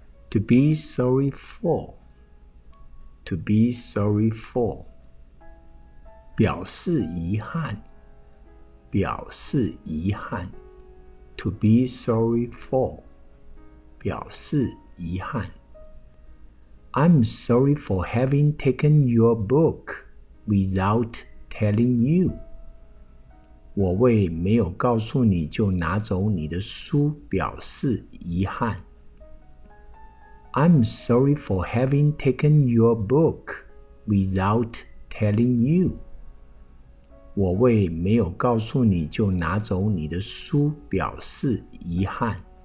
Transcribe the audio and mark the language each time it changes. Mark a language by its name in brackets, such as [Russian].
[English] To be sorry for, to be sorry for, 表示遗憾，表示遗憾。 To be sorry for, 表示遗憾。 I'm sorry for having taken your book without telling you. [Chinese] 我为没有告诉你就拿走你的书表示遗憾。 [English] I'm sorry for having taken your book without telling you. [Chinese] 我为没有告诉你就拿走你的书表示遗憾。